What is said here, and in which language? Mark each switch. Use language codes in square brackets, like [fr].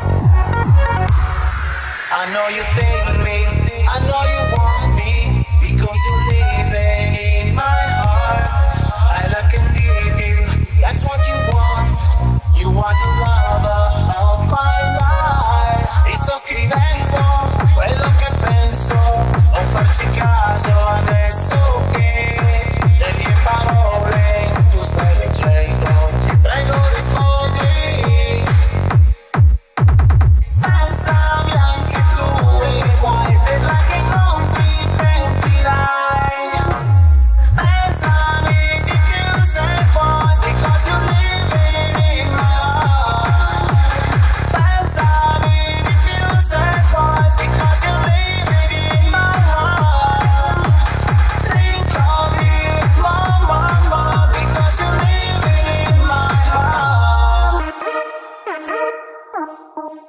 [en] know you think me, I know you want me, because you're living in my heart. All I can give you, that's what you want. You want a lover of my life. [it] E sto scrivendo quello che penso. Ho fatto caso adesso che le mie parole tu stai leggendo. Ti prego rispondi. Pensami anche tu e poi vedrai che non ti pentirai. Pensami di più se vuoi, [en] because you're living in my heart. [it] Pensami di più se vuoi, [en] because you're living in my heart. Think of it more, more, more, because you're living in my heart.